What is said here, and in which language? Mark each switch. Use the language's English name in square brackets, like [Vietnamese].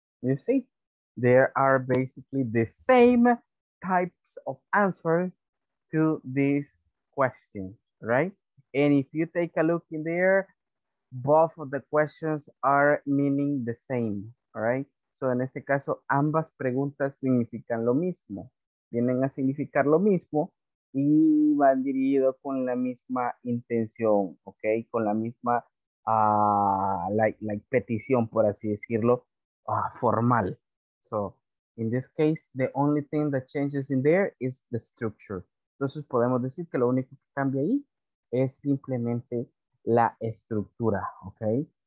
[English] You see, there are basically the same types of answers to these questions, right? And if you take a look in there, both of the questions are meaning the same, all right? [Spanish] So in este caso, ambas preguntas significan lo mismo. Vienen a significar lo mismo y van dirigido con la misma intención, okay? Con la misma like petición, por así decirlo, formal. [English] So in this case, the only thing that changes in there is the structure. [Spanish] Entonces podemos decir que lo único que cambia ahí es simplemente la estructura, okay?